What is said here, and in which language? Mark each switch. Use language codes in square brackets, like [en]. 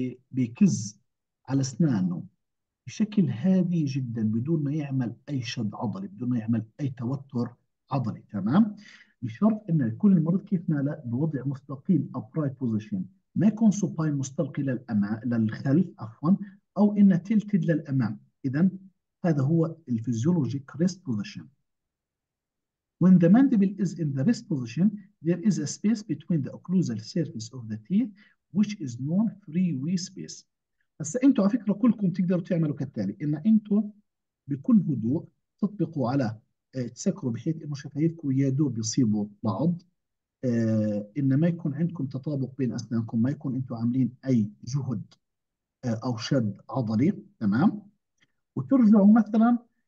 [ar] بيكز على اسنانه بشكل هادي جدا بدون ما يعمل اي شد عضلي، بدون ما يعمل اي توتر عضلي. تمام، بشرط ان يكون المريض كيف ماله بوضع مستقيم ابرايت بوزيشن، ما يكون سوباين مستلقي للامام للخلف عفوا، او انه تلتد للامام. اذا هذا هو الفيزيولوجيك ريست بوزيشن. [en] When the mandible is in the rest position, there is a space between the occlusal surface of the teeth which is known free wee space. [ar] هسا انتم على فكره كلكم تقدروا تعملوا كالتالي، ان انتم بكل هدوء تطبقوا على تسكروا بحيث انه شفايفكم يا دوب يصيبوا بعض، ان ما يكون عندكم تطابق بين اسنانكم، ما يكون انتم عاملين اي جهد او شد عضلي. تمام، وترجعوا مثلا